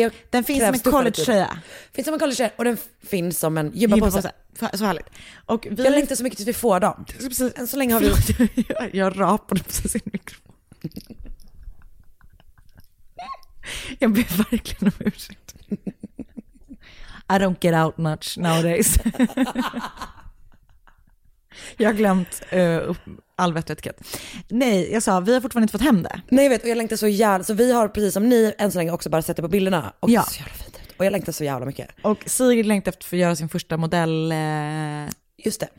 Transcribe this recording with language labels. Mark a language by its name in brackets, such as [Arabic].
[Swedish] Den finns som en college-tröja. Finns som en college-tröja och den finns som en gympapåse. Så härligt. Och vi... Jag längtar så mycket tills vi får dem. Precis. Än så länge har vi... Jag rapade precis i mikrofon. Jag ber verkligen om ursäkt. [English] I don't get out much nowadays. [Swedish] Jag har glömt all vett och etikett. Nej, jag sa, vi har fortfarande inte fått hem det. Nej, jag vet, och jag längtar så jävla. Så vi har precis som ni än så länge också bara sett det på bilderna. Och ja. Det är så jävla fint ut. Och jag längtar så jävla mycket. Och Sigrid längtar efter att göra sin första modell... Just det.